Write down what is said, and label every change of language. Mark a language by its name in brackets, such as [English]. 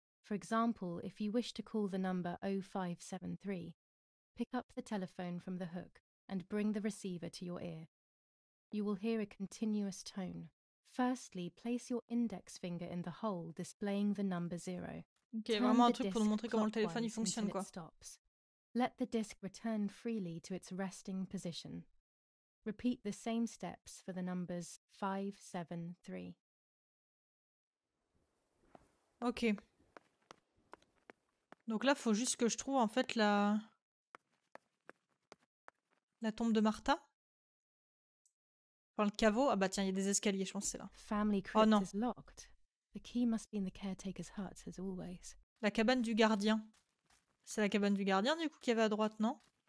[English] For example, if you wish to call the number 0573, pick up the telephone from the hook and bring the receiver to your ear. You will hear a continuous tone. Firstly, place your index finger in the hole displaying the number 0. [French] Ok, vraiment un truc pour nous montrer comment le téléphone il fonctionne quoi. [English] Let the disc return freely to its resting position. Repeat the same steps for the numbers 5, 7, 3. Ok. [French] Donc là, faut juste que je trouve en fait la tombe de Martha. Enfin, le caveau. Ah bah tiens, il y a des escaliers, je pense que c'est là. [English] Family crypt [French] oh non. [English] Is locked. The key must be in the caretaker's hut, as always. [French] La cabane du gardien. C'est la cabane du gardien, du coup, qu'il y avait à droite, non?